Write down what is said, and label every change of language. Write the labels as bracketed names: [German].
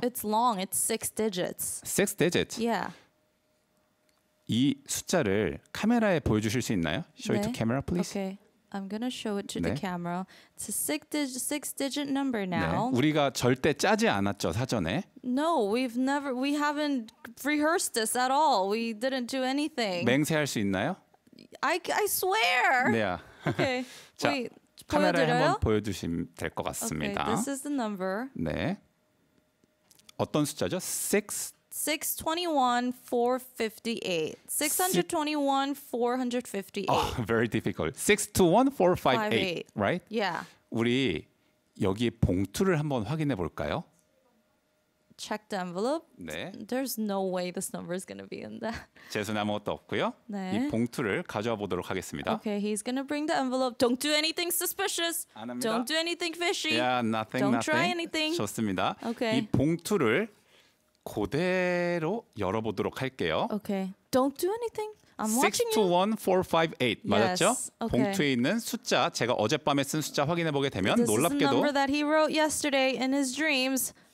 [English] It's long. It's 6 digits. 6 digits? Yeah. [Korean] 이 숫자를 카메라에 보여주실 수 있나요? [English] Show 네. it to camera, please. Okay. I'm gonna show it to 네. the camera. It's a six-digit number now. [Korean] 네. 우리가 절대 짜지 않았죠 사전에. [English] No, we've never, we haven't rehearsed this at all. We didn't do anything. [Korean] 맹세할 수 있나요? [English] I swear. [Korean] 네. [English] Okay. [Korean] 자, [English] Wait, [Korean] 카메라에 한번 보여주시면 될 것 같습니다. [English] Okay, this is the number. [Korean] 네. 어떤 숫자죠? Six. [English] 621-458. 621-458. Oh, very difficult. 621-458, right? Yeah. [Korean] 우리 여기에 봉투를 한번 확인해 볼까요? [English] Check the envelope. 네. There's no way this number is going to be in that. [Korean] 재수는 아무것도 없고요. 네. 이 봉투를 가져와 보도록 하겠습니다. [English] Okay, he's going to bring the envelope. Don't do anything suspicious. [Korean] 안 합니다. [English] Don't do anything fishy. Yeah, nothing. Don't nothing. try anything. [Korean] 좋습니다. [English] Okay. [Korean] 이 봉투를 그대로 열어보도록 할게요. [English] Okay. Don't do anything. I'm watching you. 621458 [Korean] 맞았죠? [English] Okay. [Korean] 봉투에 있는 숫자 제가 어젯밤에 쓴 숫자 확인해 보게 되면 [English] This [Korean] 놀랍게도 [English] This is the number that he wrote yesterday in his dreams.